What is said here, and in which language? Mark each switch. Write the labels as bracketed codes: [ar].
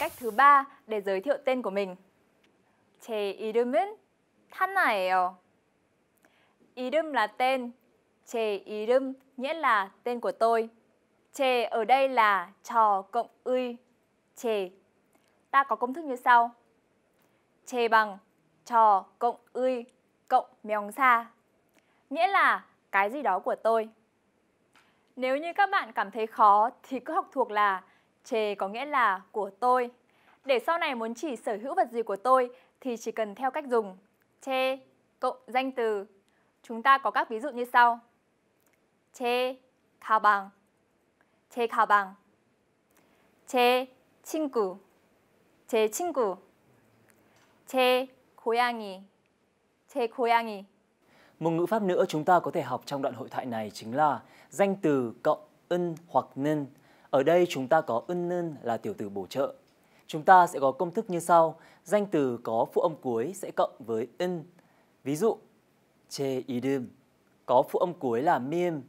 [vi] 3 để giới thiệu tên của mình. [ko] 제 이름은 타나예요. [vi] 이름 là tên, 제 이름 nghĩa là tên của tôi. 제 ở đây là 저 cộng 의 제. Ta có công thức như sau. 제 bằng 저 cộng 의 cộng 명사. Nghĩa là cái gì đó của tôi. Nếu như các bạn cảm thấy khó thì cứ học thuộc là 제 có nghĩa là của tôi. Để sau này muốn chỉ sở hữu vật gì của tôi thì chỉ cần theo cách dùng 제 cộng danh từ. Chúng ta có các ví dụ như sau. [ko] 제 가방 제 가방 제 친구 제 친구 제 고양이 제 고양이. [vi] Một ngữ pháp nữa chúng ta có thể học trong đoạn hội thoại này chính là danh từ cộng 은 hoặc 는. Ở đây chúng ta có 은 는 là tiểu từ bổ trợ. Chúng ta sẽ có công thức như sau. Danh từ có phụ âm cuối sẽ cộng với 은. Ví dụ, 제 이름 có phụ âm cuối là 미음.